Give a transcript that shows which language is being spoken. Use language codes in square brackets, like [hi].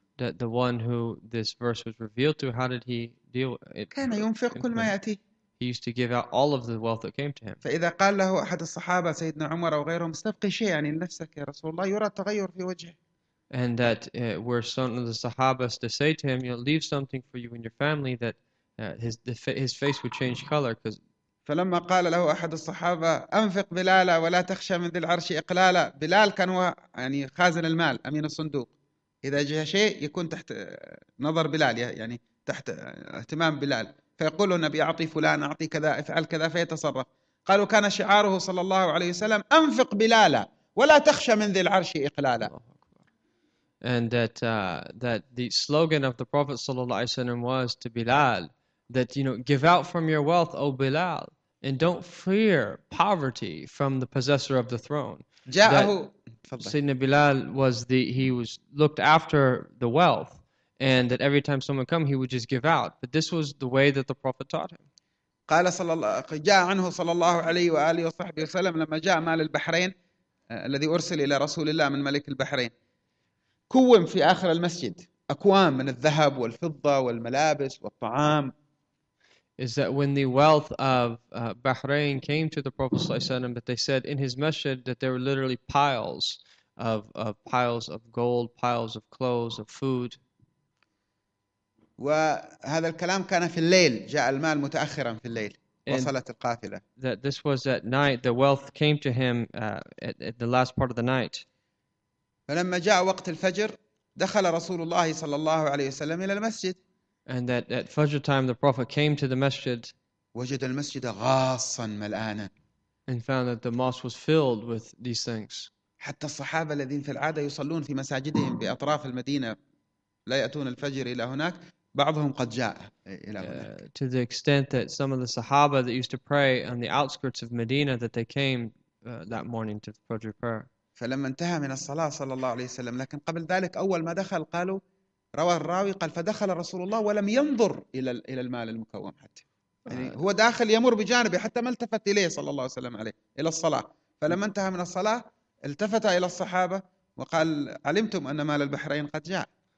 [en] That the one who this verse was revealed to, how did he deal with it? [ar] كان ينفق كل ما يأتي. [en] He used to give out all of the wealth that came to him. [ar] فإذا قال له أحد الصحابة سيدنا عمر أو غيرهم استبقي شيئا يعني لنفسك يا رسول الله يرى التغير في وجهه. [en] And that were some of the Sahabas to say to him, you'll leave something for you and your family, that his face would change color. Because [ar] فلما قال له أحد الصحابة أنفق بلالا ولا تخشى من ذي العرش إقلالا. بلال كان هو يعني خازن المال أمين الصندوق، إذا جاء شيء يكون تحت نظر بلال، يعني تحت اهتمام بلال، فيقول النبي أعطي فلان أعطي كذا افعل كذا فيتصرف. قالوا كان شعاره صلى الله عليه وسلم أنفق بلالا ولا تخشى من ذي العرش إقلالا. [en] And that that the slogan of the Prophet sallallahu alaihi wasallam was to Bilal that give out from your wealth, O Bilal, and don't fear poverty from the possessor of the throne. [ar] جاءه [en] Sayyidina Bilal was the he was looked after the wealth, and that every time someone come he would just give out. But this was the way that the Prophet taught him. [ar] قال صلى الله، جاء عنه صلى الله عليه وآله وصحبه وسلم لما جاء مال البحرين الذي أرسل إلى رسول الله من ملك البحرين، كوم في آخر المسجد أكوام من الذهب والفضة والملابس والطعام. [en] Is that when the wealth of Bahrain came to the Prophet Sallallahu Alaihi Wasallam, but they said in his masjid that there were literally piles of gold, piles of clothes, of food. [ar] وهذا الكلام كان في الليل، جاء المال متأخرا في الليل، [en] And [ar] وصلت القافلة. [en] that this was at night, the wealth came to him at the last part of the night. [ar] فلما جاء وقت الفجر دخل رسول الله صلى الله عليه وسلم إلى المسجد. [en] And that at Fajr time the Prophet came to the masjid [ar] وجد المسجد غاصا ملآنا. [en] and found that the mosque was filled with these things. [ar] حتى الصحابة الذين في العادة يصلون في مساجدهم بأطراف المدينة لا يأتون الفجر إلى هناك، بعضهم قد جاء إلى هناك. [en] To the extent that some of the Sahaba that used to pray on the outskirts of Medina that they came that morning to the Fajr prayer. [ar] فلما انتهى من الصلاة صلى الله عليه وسلم، لكن قبل ذلك أول ما دخل قالوا، روى الراوي قال فدخل رسول الله ولم ينظر إلى المال المكوم حتى، يعني هو داخل يمر بجانبه حتى ما التفت إليه صلى الله عليه وسلم عليه إلى الصلاة، فلما انتهى من الصلاة التفت إلى الصحابة وقال علمتم أن مال البحرين قد جاء.